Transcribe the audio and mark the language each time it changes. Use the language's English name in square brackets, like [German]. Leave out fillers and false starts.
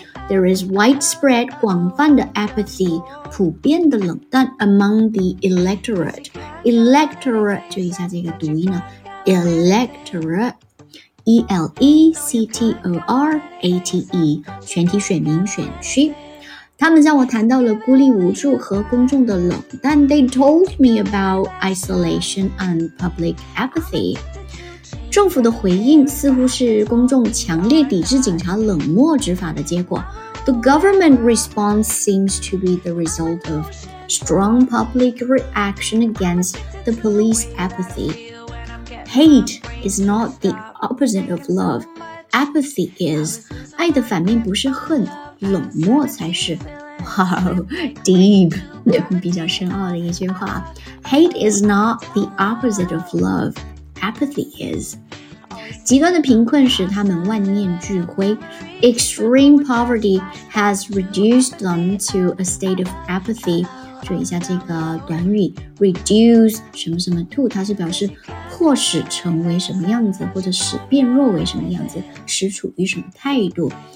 [English] There is widespread [Chinese] 广泛的 [English] apathy [Chinese] 普遍的冷淡 [English] among the electorate. [Chinese] Electorate 注意一下这个读音啊。Electorate E-L-E-C-T-O-R-A-T-E 全体选民选区。他们向我谈到了孤立无助和公众的冷淡。 [English] They told me about isolation and public apathy. [Chinese] 政府的回应似乎是公众强烈抵制警察冷漠执法的结果。 [English] The government response seems to be the result of strong public reaction against the police apathy. Hate is not the opposite of love. Apathy is. [Chinese] 爱的反面不是恨。冷漠才是 [English] wow, deep [Chinese] 比较深奥的一句话。 [English] Hate is not the opposite of love, apathy is. [Chinese] 极端的贫困使他们万念俱灰。 [English] Extreme poverty has reduced them to a state of apathy. [Chinese] 注意一下这个短语 reduce 什么什么 to, 它是表示迫使成为什么样子，或者使变弱为什么样子，使处于什么态度。